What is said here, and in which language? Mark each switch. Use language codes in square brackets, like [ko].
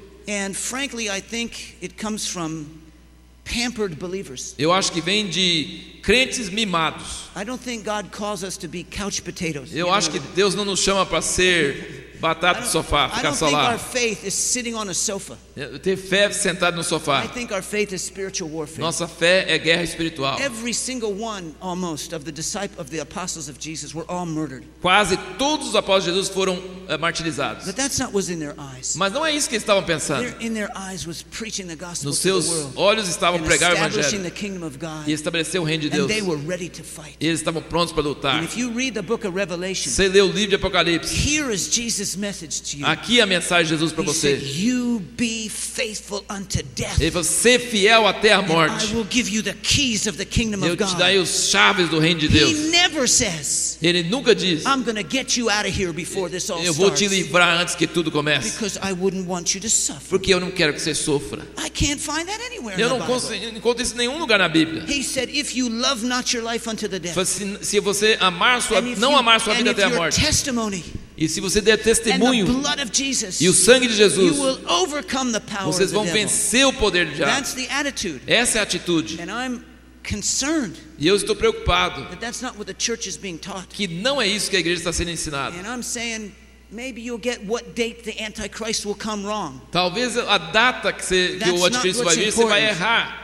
[en] And frankly, I think it comes from pampered believers. [pt] Eu acho que vem de crentes mimados. [en] I don't think God calls us to be couch potatoes. [pt] Eu acho que Deus não nos chama para ser batata do sofá, ficar só lá. [en] I think our faith is sitting on a sofa. [pt] Ter fé sentado no sofá. [en] I think our faith is spiritual warfare. [pt] Nossa fé é guerra espiritual. [en] Every single one, almost, of the disciples of the apostles of Jesus were all murdered. [pt] Quase todos os apóstolos de Jesus foram martirizados. [en] But that's not what was in their eyes. [pt] Mas não é isso que eles estavam pensando. [en] In their eyes was preaching the gospel. [pt] Nos seus olhos estavam pregando o evangelho. [en] Establishing the kingdom of God. [pt] E estabelecer o reino de Deus. [en] And they were ready to fight. [pt] E eles estavam prontos para lutar. [en] And if you read the book of Revelation, [pt] você lê o livro de Apocalipse. [en] Here is Jesus' message to you. [pt] Aqui é a mensagem de Jesus para você. [en] He said, "You be faithful unto death." [pt] E você fiel até a morte. [en] And I will give you the keys of the kingdom of God. [pt] Eu te darei as chaves do reino de Deus. [en] He never says. [pt] Ele nunca diz. [en] I'm going to get you out of here before this all starts. [pt] Eu vou te livrar antes que tudo comece. [en] Because I wouldn't want you to suffer. [pt] Porque eu não quero que você sofra. [en] I can't find that anywhere in the Bible. [pt] Eu não encontro isso em nenhum lugar na Bíblia. [en] He said, "If you love not your life unto the death." [pt] Se você amar sua não amar sua vida até a morte. [en] Testimony. [pt] E se você der testemunho [en] and the blood of Jesus, [pt] e o sangue de Jesus, [en] you will overcome the power [pt] vocês vão [en] of the [pt] vencer [en] devil. [pt] O poder do diabo. [en] That's the attitude. [pt] Essa é a atitude. [en] And I'm concerned [pt] e eu estou preocupado [en] that that's not what the church is being taught. [pt] Que não é isso que a igreja está sendo ensinada. [en] And I'm saying, maybe you'll get what date the Antichrist will come wrong. [pt] Talvez a data que, que o anticristo vai vir, você vai errar.